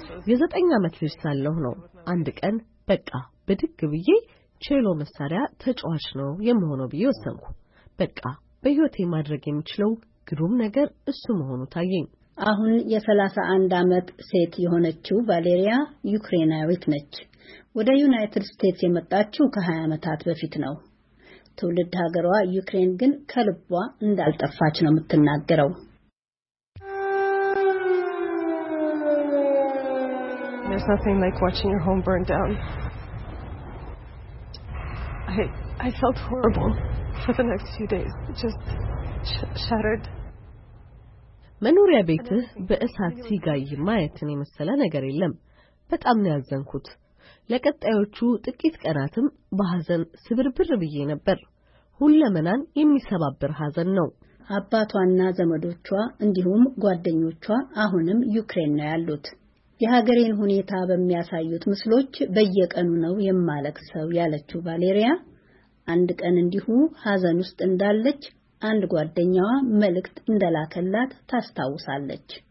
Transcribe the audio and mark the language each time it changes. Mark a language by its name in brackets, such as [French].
[Amharic] የዘጠኝ ዓመት ልጅ ሳለሁ ነው አንድ ቀን በቃ በድግ ብዬ ቼሎ መሳሪያ ተጫዋች ነው የምሆነው ብዬ ወሰንኩ። በቃ በህይወቴ ማድረግ የምችለው ግሩም ነገር እሱ መሆኑ ታየኝ። አሁን የ31 ዓመት ሴት የሆነችው ቫሌሪያ ዩክሬናዊት ነች። ወደ ዩናይትድ ስቴትስ የመጣችው ከ20 ዓመታት በፊት ነው። ትውልድ ሀገሯ ዩክሬን ግን ከልቧ እንዳልጠፋች ነው የምትናገረው። [English] There's nothing like watching your home burn down. I felt horrible for the next few days. It just shattered. [Amharic] መኖሪያ ቤትህ በእሳት ሲጋይ ማየትን የመሰለ ነገር የለም። በጣም ነው ያዘንኩት። ለቀጣዮቹ ጥቂት ቀናትም በሐዘን ስብርብር ብዬ ነበር። ሁለመናን የሚሰባብር ሐዘን ነው። አባቷና ዘመዶቿ እንዲሁም ጓደኞቿ አሁንም ዩክሬን ነው ያሉት። የሀገሬን ሁኔታ በሚያሳዩት ምስሎች በየቀኑ ነው የማለቅሰው ያለችው ቫሌሪያ፣ አንድ ቀን እንዲሁ ሐዘን ውስጥ እንዳለች አንድ ጓደኛዋ መልእክት እንደላከላት ታስታውሳለች።